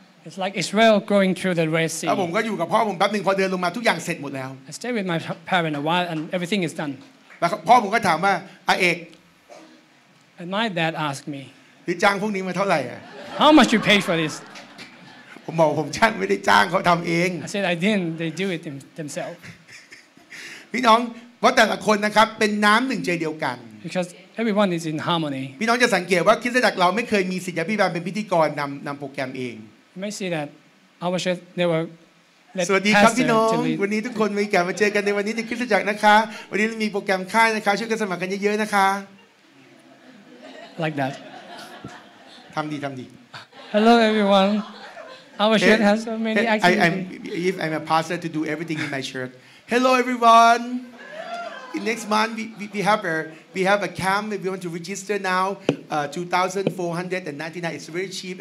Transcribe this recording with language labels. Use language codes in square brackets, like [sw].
[en] It's like Israel going through the Red Sea. [th] แล้วผมก็อยู่กับพ่อผมแป๊บนึงพอเดินลงมาทุกอย่างเสร็จหมดแล้ว [en] I stayed with my parents a while and everything is done. [th] แล้วพ่อผมก็ถามว่าอาเอก [en] And my dad asked me. [th] พี่จ้างพวกนี้มาเท่าไหร่อ่ะ [en] How much you pay for this? [th] ผมบอกผมจ้างไม่ได้จ้างเขาทำเอง [en] I said I didn't. They do it themselves. [th] พี่น้องเพราะแต่ละคนนะครับเป็นน้ำหนึ่งใจเดียวกัน [en] Because everyone is in harmony [th] พี่น้องจะสังเกตว่าคริสตจักรเราไม่เคยมีศิษยาภิบาลเป็นพิธีกรนำโปรแกรมเอง [en] You may see that our church never [th] let สวัสดีครับพี่น้องวันนี้ทุกคนมีแก่มาเจอกันในวันนี้ที่คริสตจักรนะคะวันนี้มีโปรแกรมค่ายนะคะช่วยกันสมัครกันเยอะๆนะคะ [en] Like that [th] ทำดี [en] Hello everyone our church has so many activities I'm a pastor to do everything in my churchHello, everyone. In next month, we have a camp. If you want to register now, $2,499. It's very cheap.